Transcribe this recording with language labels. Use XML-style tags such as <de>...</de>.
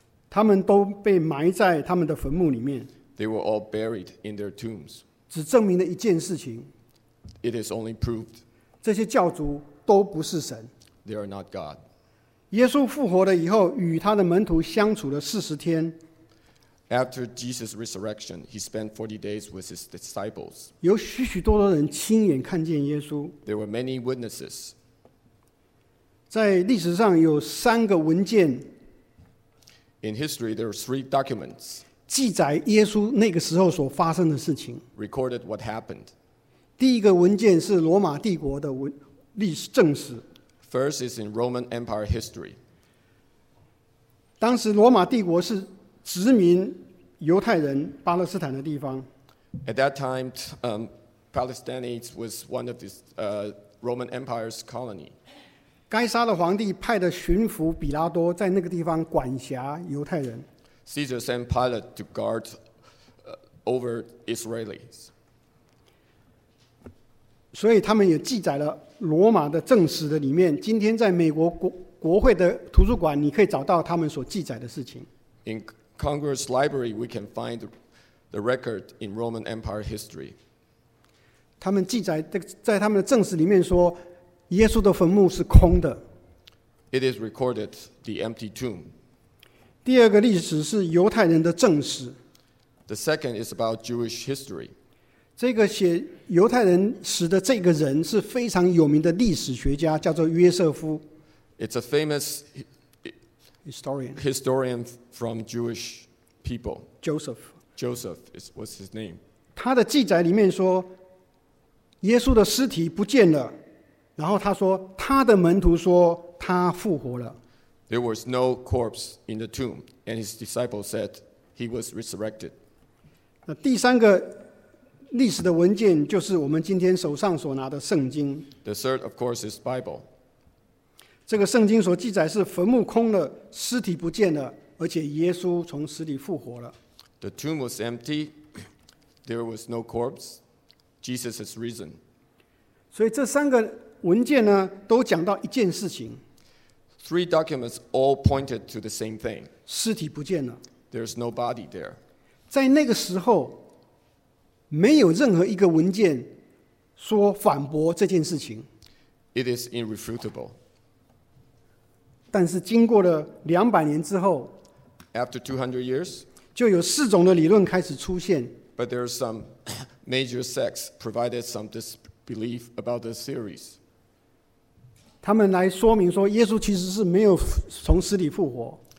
<zh>他们都被埋在他们的坟墓里面。</zh> <en>They were all buried in their tombs.</en> <zh>只证明了一件事情。</zh> <en>It is only proved.</en> <zh>这些教主都不是神。</zh> <en>They are not God.</en> <zh>耶稣复活了以后，与他的门徒相处了四十天。</zh> <en>After Jesus' resurrection, he spent 40 days with his disciples.</en> <zh>有许许多多人亲眼看见耶稣。</zh> <en>There were many witnesses.</en> <zh>在历史上有三个文件。</zh> <en>In history, there were 3 documents.</en> <zh>记载耶稣那个时候所发生的事情。</zh> <en>Recorded what happened.</en> <zh>第一个文件是罗马帝国的历史正史。</zh> <en>First is in Roman Empire history.</en> <zh>当时罗马帝国是殖民犹太人巴勒斯坦的地方。</zh> <en>At that time, Palestinians was one of the Roman Empire's colony.</en> <zh>该撒的皇帝派的巡抚比拉多在那个地方管辖犹太人。</zh> <en>Caesar sent Pilate to guard over Israelis.</en> <zh>所以他们也记载了。罗马的正史的里面，今天在美国 国会的图书馆，你可以找到他们所记载的事情。</zh> <en>In Congress Library, we can find the record in Roman Empire history.</en> <zh>他们记载在他们的正史里面说，耶稣的坟墓是空的。</zh> <en>It is recorded the empty tomb.</en> <zh>第二个历史是犹太人的正史。</zh> <en>The second is about Jewish history.</en> <zh>这个写犹太人史的这个人是非常有名的历史学家，叫做约瑟夫。</zh> <en>It's a famous historian. Historian from Jewish people. Joseph. Joseph was his name.</en> <zh>他的记载里面说，耶稣的尸体不见了，然后他说他的门徒说他复活了。</zh> <en>There was no corpse in the tomb, and his disciples said he was resurrected.</en> <zh>那第三个。历史的文件就是我们今天手上所拿的圣经。</zh> <en>The third, of course, is Bible.</en> <zh>这个圣经所记载是坟墓空了，尸体不见了，而且耶稣从死里复活了。</zh> <en>The tomb was empty. There was no corpse. Jesus is risen.</en> <zh>所以这三个文件呢，都讲到一件事情。</zh> <en>Three documents all pointed to the same thing.</en> <zh>尸体不见了。</zh> <en>There's no body there.</en> <zh>在那个时候。没有任何一个文件说反驳这件事情。</zh> <en>It is irrefutable.</en> <zh>但是经过了200年之后</zh> <en>，After 200 years，</en> <zh>就有四种的理论开始出现。</zh> <en>But there are some major sects provided some disbelief about this series.</en> <zh>他们来说明说，耶稣其实是没有从死里复活。</zh>